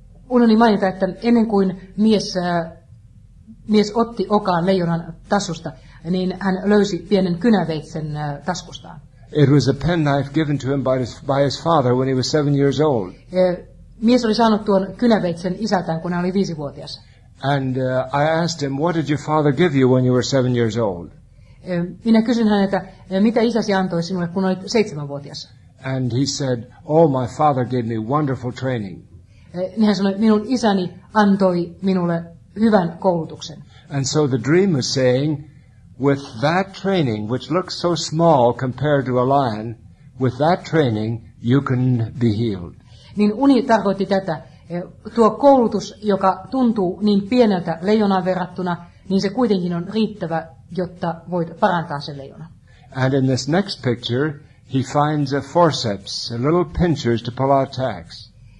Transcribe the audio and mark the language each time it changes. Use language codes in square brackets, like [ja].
[fi] Unohdin mainita, että ennen kuin mies otti okaan leijonan tassusta, niin hän löysi pienen kynäveitsen taskustaan. [en] It was a penknife given to him by his father when he was 7 years old. [fi] Mies oli saanut tuon kynäveitsen isältään, kun hän oli 5-vuotias. [en] And I asked him, what did your father give you when you were 7 years old? [fi] Minä kysyin häneltä, mitä isäsi antoi sinulle, kun olit 7-vuotias? [en] And he said, oh, my father gave me wonderful training. [fi] Niin hän sanoi, minun isäni antoi minulle hyvän koulutuksen. [en] And so the dream was saying, with that training, which looks so small compared to a lion, with that training, you can be healed. [fi] Niin uni tarkoitti tätä. Tuo koulutus, joka tuntuu niin pieneltä leijonaan verrattuna, niin se kuitenkin on riittävä, jotta voit parantaa sen leijona. [en] And in this next picture, he finds a forceps, a little pinchers to pull out tacks.